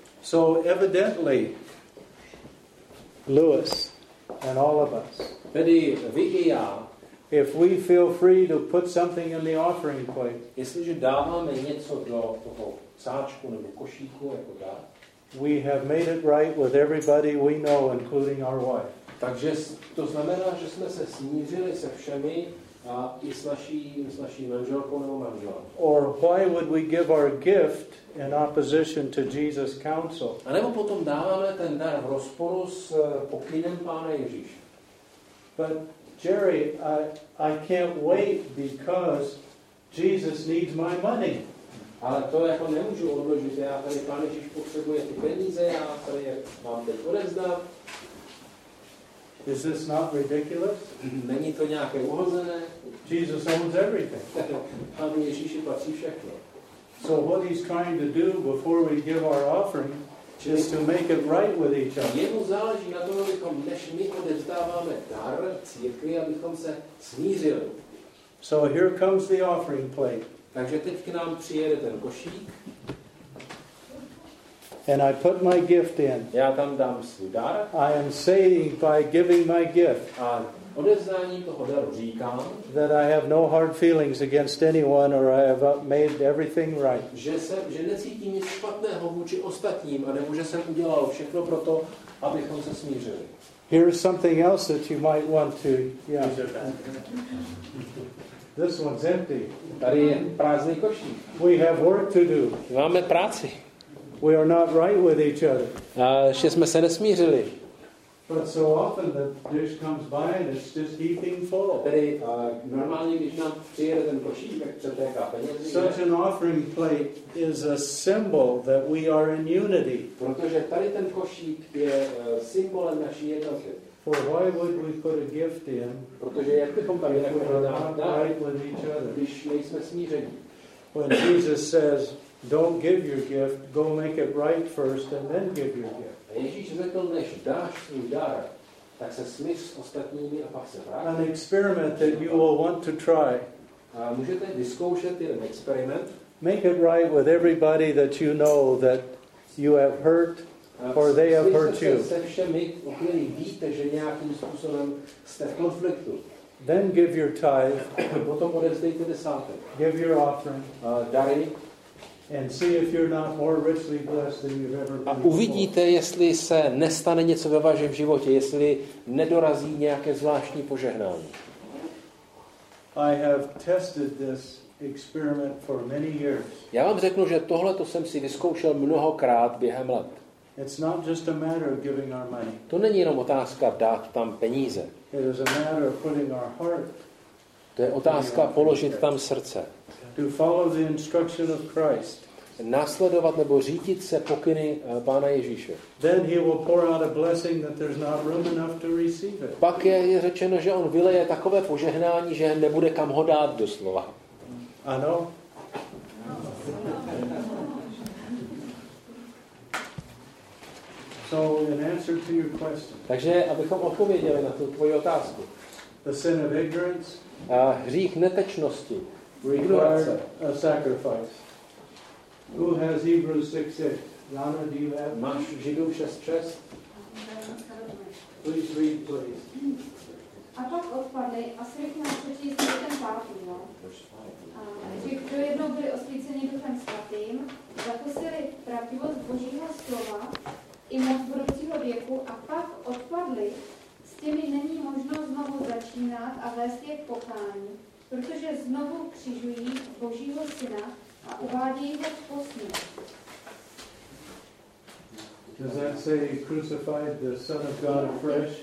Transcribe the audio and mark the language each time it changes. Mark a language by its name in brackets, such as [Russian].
[English] So evidently, Lewis and all of us, [Czech] tedy vy i já, [English] if we feel free to put something in the offering plate, [Czech] jestliže dáváme něco do toho sáčku nebo košíku jako dar, [English] we have made it right with everybody we know, including our wife. [Czech] Takže to znamená, že jsme se smířili se všemi a i s naší manželkou nebo manželem. [English] Or why would we give our gift in opposition to Jesus' counsel? [Czech] A nebo potom dáváme ten dar v rozporu s pokynem Pána Ježíše. [English] But Jerry, I can't wait because Jesus needs my money. [Czech] Ale to jako nemůžu odložit, já tady Pán Ježíš potřebuje ty peníze, já tady mám teď odevzdat. [English] Is this not ridiculous? [Czech] Není to nějaké uhozené? [English] Jesus owns everything. [Czech] Pán Ježíši patří všechno. [English] So what he's trying to do before we give our offering is to make it right with each other. [Czech] Jemu záleží na tom, abychom, než my odevzdáváme dar církvi, abychom se smířili. [English] So here comes the offering plate. [Czech] Takže teď k nám přijede ten košík. [English] And I put my gift in. [Czech] Já tam dám svůj dar. [English] I am saying by giving my gift. [Czech] A odevzdáním toho daru říkám, [English] that I have no hard feelings against anyone or I have made everything right. [Czech] Že necítím nic špatného vůči ostatním a nebo že jsem udělal všechno pro to, abychom se smířili. [English] Here's something else that you might want to. Yeah. This one's empty. [Czech] Tady je prázdný košík. [English] We have work to do. [Czech] Máme práci. [English] We are not right with each other. [Czech] Že jsme se nesmířili. [English] But so often the dish comes by and it's just heaping full. [Czech] Tedy normálně, když nám přijede ten košík, tak přetéká penězí. [English] Such an offering plate is a symbol that we are in unity. [Czech] Protože tady ten košík je symbolem naší jednoty. [English] For why would we put a gift in? [Czech] Protože jak bychom tam jinak mohli dát, když nejsme smíření. [English] When Jesus says, don't give your gift, go make it right first and then give your gift. [Czech] Ježíš řekl, než dáš svůj dar, tak se smyř s ostatními a pak se vrátí. [English] An experiment that you will want to try. [Czech] Můžete vyzkoušet jeden experiment. [English] Make it right with everybody that you know that you have hurt or they have hurt you. [Czech] Se všemi, o kterých víte, že nějakým způsobem jste v konfliktu. [English] Then give your tithe. [Czech] Potom odevzdejte desátek. [English] Give your offering. [Czech] Dary. [English] And see if you're not more richly blessed than you've ever been. [Czech] A uvidíte, jestli se nestane něco ve vašem životě, jestli nedorazí nějaké zvláštní požehnání. [English] I have tested this experiment for many years. [Czech] Já vám řeknu, že tohle to jsem si vyzkoušel mnohokrát během let. [English] It's not just a matter of giving our money. [Czech] To není jenom otázka dát tam peníze. [English] It is a matter of putting our heart. [Czech] To je otázka položit tam srdce. [English] To follow the instruction of Christ. [Czech] Následovat nebo řídit se pokyny Pána Ježíše. [English] Then he will pour out a blessing that there's not room enough to receive it. [Czech] Pak je řečeno, že on vyleje takové požehnání, že nebude kam ho dát doslova. Ano. [English] So in answer to your question. [Czech] Takže abychom odpověděli na tu tvoji otázku. [English] The sin of ignorance. [Czech] A hřích netečnosti. [English] Require a sacrifice. Who has Hebrews 6:8? Lana, do you have? [Czech] Máš Židům 6:6? [English] Please read, please. [Czech] A pak odpadli a srychle přečíst ten pátý, no? Že kdo jednou byli osvíceni Duchem Svatým, zakusili pravdivost Božího slova i moc budoucího věku a pak odpadli, s těmi není možno znovu začínat a vést je k pokání. Protože znovu křižují Božího syna a uvádějí ho v posměch. [English] Does that say crucified the Son of God afresh?